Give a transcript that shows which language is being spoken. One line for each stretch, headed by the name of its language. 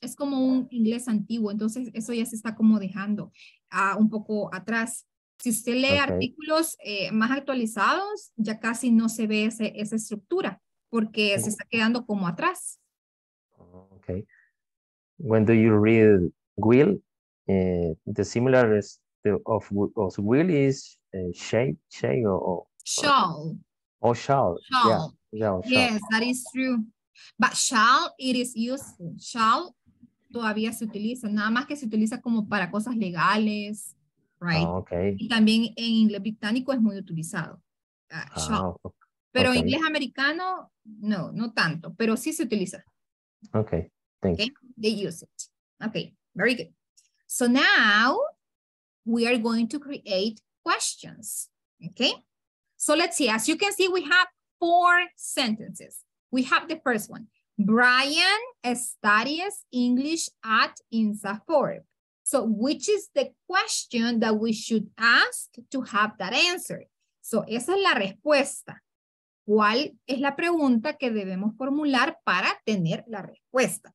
Spanish: Es como un inglés antiguo, entonces eso ya se está como dejando un poco atrás. Si usted lee artículos más actualizados, ya casi no se ve esa estructura porque se está quedando como atrás.
English: Okay. When do you read will? The similar is of will is shape or shall. Or shall. Yeah, shall. Yes, that is true. But shall it is useful.
Spanish: Shall todavía se utiliza, nada más que se utiliza como para cosas legales, right?
English: Oh, okay.
Spanish: Y también en inglés británico es muy utilizado. Shall. Okay. Pero okay. Inglés americano no tanto, pero sí se utiliza.
English: Okay. Thanks. Okay, they use it. Okay, very good. So now we are going to create questions. Okay, so let's see. As you can see, we have four sentences. We have the first one. Brian studies English at INSAFORP. So which is the question that we should ask to have that answer?
Spanish: So esa es la respuesta. ¿Cuál es la pregunta que debemos formular para tener la respuesta?